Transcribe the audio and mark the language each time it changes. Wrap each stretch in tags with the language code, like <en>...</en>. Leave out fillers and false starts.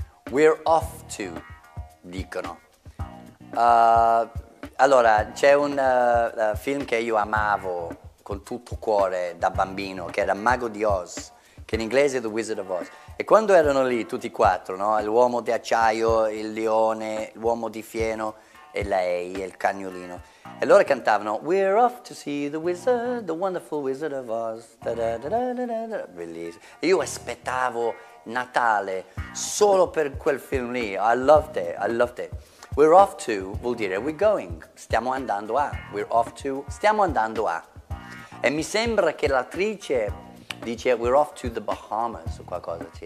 <en>We're off to,</en> <it>dicono. Allora, c'è un film che io amavo con tutto cuore da bambino, che era Mago di Oz, che in inglese è The Wizard of Oz. E quando erano lì tutti e quattro, no? L'uomo di acciaio, il leone, l'uomo di fieno e lei, il cagnolino. E loro cantavano</it> <en>We're off to see the wizard, the wonderful wizard of Oz.</en> <it>Bellissimo. Io aspettavo Natale solo per quel film lì.</it> <en>I loved it. We're off to</en> <it>vuol dire</it> <en>we're going.</en> <it>Stiamo andando a.</it> <en>We're off to. Stiamo andando a.</en> <it>E mi sembra che l'attrice dice</it> <en>We're off to the Bahamas</en> <it>o qualcosa.</it>